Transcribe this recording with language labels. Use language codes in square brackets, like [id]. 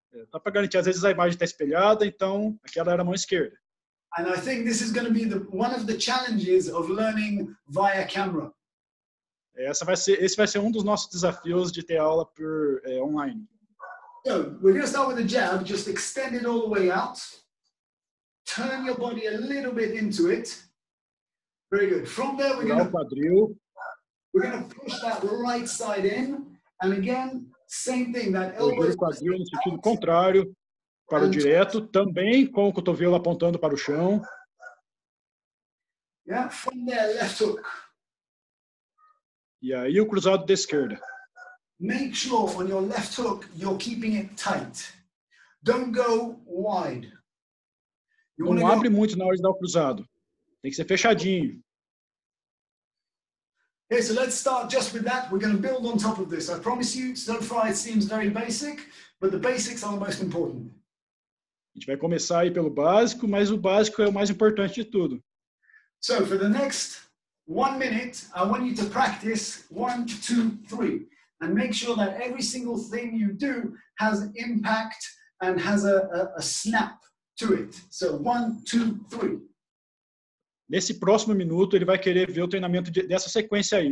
[pt] Só para garantir, às vezes a imagem está espelhada, então aquela era a mão esquerda. [en] And I think this is going to be one of the challenges of learning via camera. [pt] Esse vai ser um dos nossos desafios de ter aula por online. [en] So, we're going to start with a jab, just extend it all the way out. Turn your body a little bit into it. Very good. From there, we're going to push that right side in. And again, same thing, that elbow. [pt] O quadril no sentido contrário, para o direto, também com o cotovelo apontando para o chão. [en] Yeah, from there, left hook. [pt] E aí, o cruzado da esquerda. [en] Make sure on your left hook, you're keeping it tight. Don't go wide. [pt] Não abre muito na hora de dar o cruzado. Tem que ser fechadinho. [en] Okay, so let's start just with that. We're going to build on top of this. I promise you, so far it seems very basic, but the basics are the most important. [pt] A gente vai começar aí pelo básico, mas o básico é o mais importante de tudo. [en] So, for the next 1 minute, I want you to practice 1, 2, 3. And make sure that every single thing you do has impact and has a snap to it. So, 1, 2, 3. [pt] Nesse próximo minuto, ele vai querer ver o treinamento dessa sequência aí.